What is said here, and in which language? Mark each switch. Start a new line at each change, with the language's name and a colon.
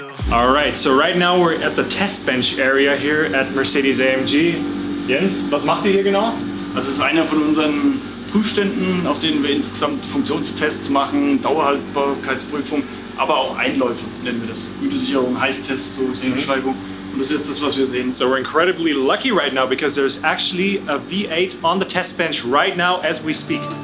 English: Alright, so right now we're at the test bench area here at Mercedes-AMG.
German: Jens, was macht ihr hier genau? Das ist einer von unseren Prüfständen, auf denen wir insgesamt Funktionstests machen, Dauerhaltbarkeitsprüfung, aber auch Einläufe nennen wir das. Gütesicherung, Heißtest, so ist die Beschreibung. Und das ist jetzt das, was wir sehen.
English: So we're incredibly lucky right now, because there's actually a V8 on the test bench right now as we speak.